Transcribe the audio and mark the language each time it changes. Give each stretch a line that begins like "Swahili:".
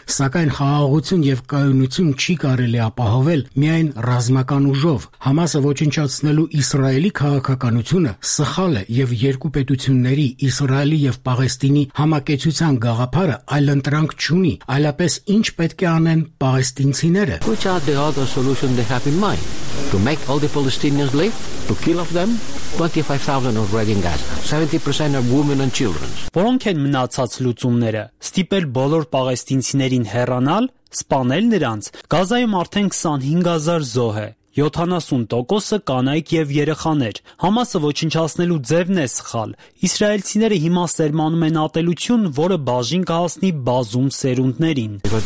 Armenian: սակայն խաղաղություն և կայունություն չի կարելի ապահովել միայն ռազմական ուժով։ Համասը ոչնչացնելու Իսրայելի քաղաքականությունը սխալ է և երկու պետությունների, Իսրայելի և Պաղեստինի համակեցության գաղափարը այլ ընտրանք չունի, այլապես ինչ պետք է անեն պաղեստինցիները։
English: Which are the other solutions they have in mind? To make all the Palestinians live? To kill of them? 25,000 already in Gaza. 70% are women and children.
Armenian: Որոնք են մնացած լուծումները, ստիպել բոլոր պաղեստինցիներին հեռանալ, սպանել նրանց, Գազայում արդեն 25,000 զոհ է, 70%-ը կանայք և երեխաներ, Համասը ոչնչացնելու ձևն է սխալ, իսրայելցիները հիմա սերմանում են ատելություն, որը բաժին կհասնի բազում սերունդներին։